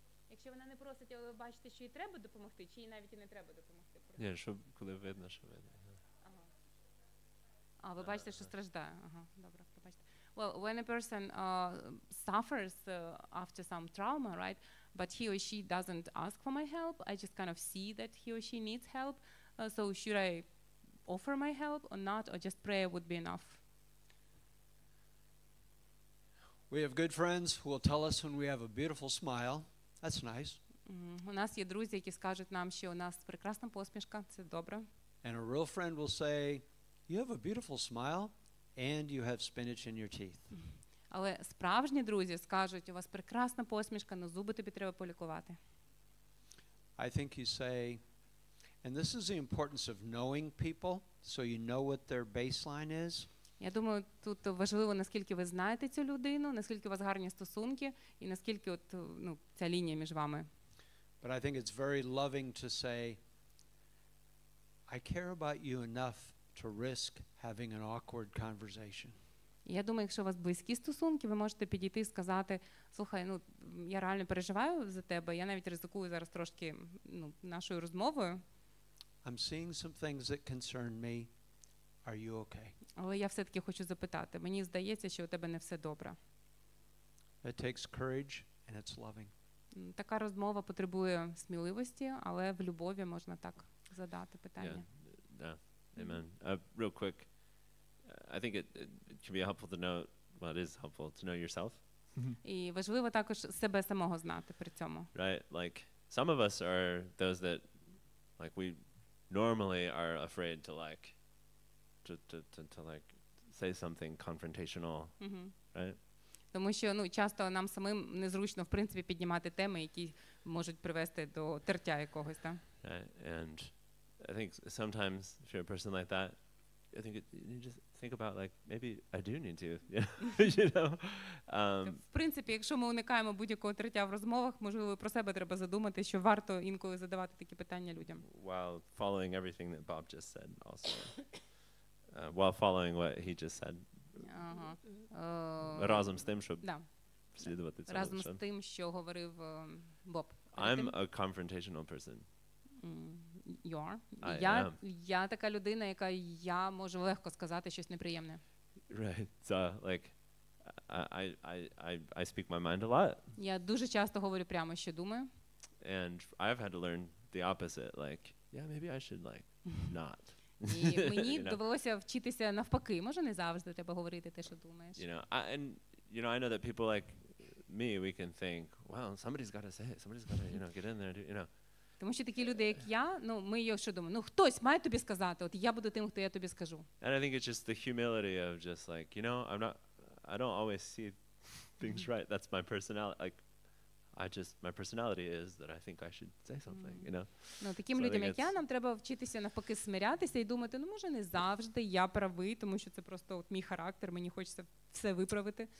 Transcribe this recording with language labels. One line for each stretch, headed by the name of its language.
Ukrainian: якщо вона не просить, але бачите, що їй треба допомогти, чи їй навіть і не треба допомогти? Ні, що коли видно, що видно. А, ви бачите, що страждає. Ага, добре, пробачте.
English: Well, when a person suffers after some trauma, right, but he or she doesn't ask for my help, I just kind of see that he or she needs help, so should I offer my help or not, or just prayer would be enough? We have good friends who will tell us when we have a beautiful smile. That's nice.
Ukrainian: У нас є друзі, які скажуть нам, що у нас прекрасна посмішка. Це добре.
English: And a real friend will say, you have a beautiful smile and you have spinach in your teeth.
Ukrainian: Але справжні друзі скажуть, у вас прекрасна посмішка, але зуби тобі треба полікувати.
English: I think you say, and this is the importance of knowing people, so you know what their baseline is.
Ukrainian: Я думаю, тут важливо, наскільки ви знаєте цю людину, наскільки у вас гарні стосунки і наскільки от, ну, ця лінія між вами.
English: But I think it's very loving to say, I care about you enough to risk having an awkward conversation.
Ukrainian: Я думаю, якщо у вас близькі стосунки, ви можете підійти і сказати: "Слухай, ну, я реально переживаю за тебе, я навіть ризикую зараз трошки, ну, нашою розмовою.
English: I'm seeing some things that concern me. Are you okay?"
Ukrainian: Але я все-таки хочу запитати. Мені здається, що у тебе не все добре.
English: It takes courage and it's loving.
Ukrainian: Така розмова потребує сміливості, але в любові можна так задати питання.
English: Yeah. Amen. Real quick. I think it can be helpful to know, well, it is helpful to know yourself.
Ukrainian: І важливо також себе самого знати при цьому.
English: Right, like some of us are those that, like, we normally are afraid to, like, to like say something confrontational. Mm-hmm. Right?
Ukrainian: Тому що, ну, часто нам самим незручно, в принципі, піднімати теми, які можуть привести до тертя якогось, так?
English: Right. And I think sometimes if you're a person like that, I think you just think about, like, maybe I do need to, you know.
Ukrainian: В принципі, якщо ми уникаємо будь-якого тертя в розмовах, можливо, про себе треба задумати, що варто інколи задавати такі питання людям.
English: While following everything that Bob just said also. While following what he just said. Uh-huh.
Ukrainian: Разом з тим, щоб слідувати цьому. Разом з тим, що говорив Боб.
English: I'm a confrontational person. You are.
Ukrainian: Я така людина, яка я можу легко сказати щось неприємне.
English: Right. So, like, I speak my mind a lot.
Ukrainian: Я дуже часто говорю прямо, що думаю.
English: And I've had to learn the opposite. Like, yeah, maybe I should, like, not.
Ukrainian: І мені довелося вчитися навпаки. Може, не завжди треба говорити те, що думаєш.
English: You know, I know that people like me, we can think, well, somebody's got to say it. Somebody's got to, you know, get in there, you know.
Ukrainian: Тому що такі люди, як я, ну, ми його що думаємо? Ну, хтось має тобі сказати, от я буду тим, хто я тобі скажу.
English: And I think it's just the humility of just, like, you know, I don't always see things right. That's my personality. Like, my personality is that I think I should say something, you know.
Ukrainian: Ну, таким людям, як я, нам треба вчитися навпаки смирятися і думати, ну, може, не завжди я правий, тому що це просто от мій характер, мені хочеться все виправити.